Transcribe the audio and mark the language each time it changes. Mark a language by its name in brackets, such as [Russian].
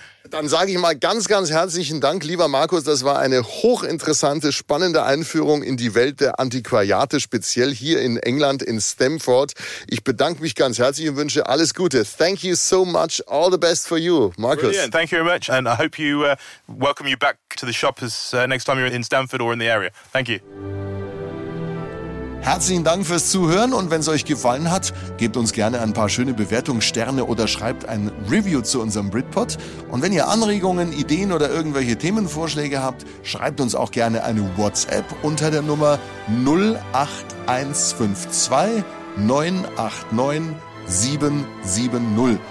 [German] Dann sage ich mal ganz, ganz herzlichen Dank, lieber Markus. Das war eine hochinteressante, spannende Einführung in die Welt der Antiquariate, speziell hier in England, in Stamford. Ich bedanke mich ganz herzlich und wünsche alles Gute. [English] Thank you so much. All the best for you, Markus. Brilliant. Thank you very much. And I hope you welcome you back to the shop as next time you're in Stamford or in the area. Thank you. [German] Herzlichen Dank fürs Zuhören und wenn es euch gefallen hat, gebt uns gerne ein paar schöne Bewertungssterne oder schreibt ein Review zu unserem Britpod. Und wenn ihr Anregungen, Ideen oder irgendwelche Themenvorschläge habt, schreibt uns auch gerne eine WhatsApp unter der Nummer 08152 989 770.